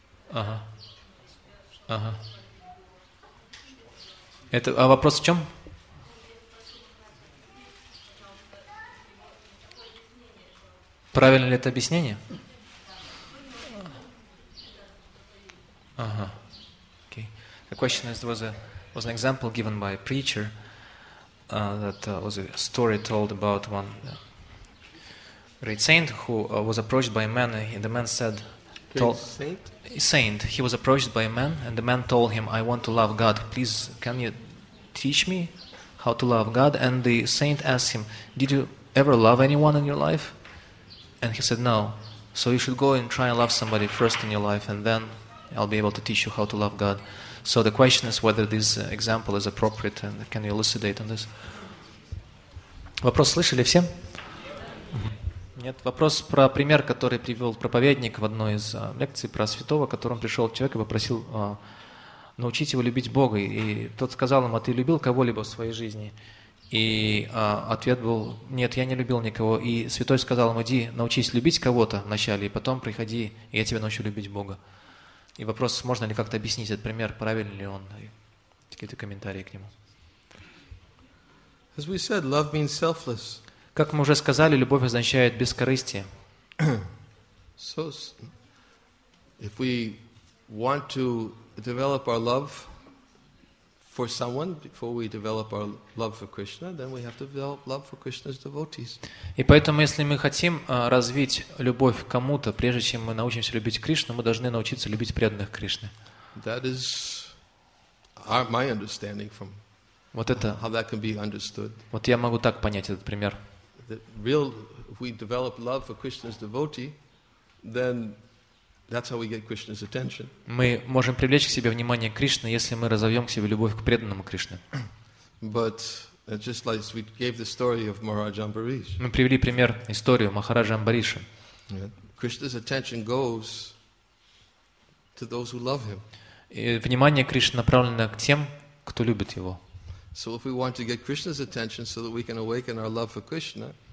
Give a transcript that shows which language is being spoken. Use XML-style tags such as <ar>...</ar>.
<ru>Ага. Ага. А вопрос в чем? Правильно ли это объяснение?</ru> <en>Okay. The question is, was an example given by a preacher that was a story told about one great saint who was approached by a man, and the man said, "Saint." He was approached by a man, and the man told him, "I want to love God. Please, can you teach me how to love God?" And the saint asked him, "Did you ever love anyone in your life?" And he said, "No." So you should go and try and love somebody first in your life, and then I'll be able to teach you how to love God. So the question is whether this example is appropriate, and can you elucidate on this?</en> <ru>Вопрос слышали все? Нет, вопрос про пример, который привел проповедник в одной из лекций про святого, к которому пришел человек и попросил научить его любить Бога. И тот сказал ему, а ты любил кого-либо в своей жизни? И ответ был, нет, я не любил никого. И святой сказал ему, иди, научись любить кого-то вначале, и потом приходи, и я тебя научу любить Бога. И вопрос, можно ли как-то объяснить этот пример, правильный ли он? Какие-то комментарии к нему.</ru> <en>As we said, love means selfless.</en> <ru>Как мы уже сказали, любовь означает бескорыстие.</ru> <en>So, if we want to develop our love for someone before we develop our love for Krishna, then we have to develop love for Krishna's devotees.</en> <ru>И поэтому, если мы хотим развить любовь к кому-то, прежде чем мы научимся любить Кришну, мы должны научиться любить преданных Кришны.</ru> <en>That is my understanding from how that can be understood.</en> <ru>Вот я могу так понять этот пример.</ru> <en>That real, if we develop love for Krishna's devotee, then that's how we get Krishna's attention.</en> <ru>Мы можем привлечь к себе внимание Кришны, если мы разовьем к себе любовь к преданному Кришне.</ru> <en>But just like we gave the story of Maharaj Ambarish.</en> <ru>Мы привели пример историю Махараджа Амбариша.</ru> <en>Krishna's attention goes to those who love him.</en> <ru>И внимание Кришны направлено к тем, кто любит его.</ru> <en>So if we want to get Krishna's attention so that we can awaken our love for Krishna,</en>